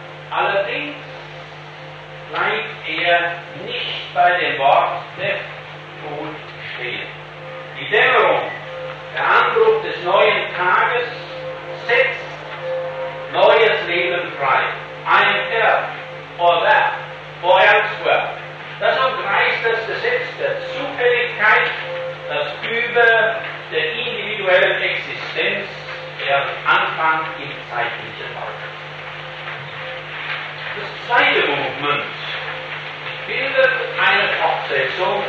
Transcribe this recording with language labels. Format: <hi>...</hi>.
<de>Allerdings bleibt er nicht bei dem Wort der Ton stehen. Die Dämmerung, der Anbruch des neuen Tages setzt neues Leben frei.</de> <en>I am there, or that, or elsewhere.</en> <de>Das umgreift das Gesetz der Zufälligkeit, das über der individuellen Existenz der Anfang im zeitlichen Raum. Das zweite Movement bildet eine Fortsetzung.</de>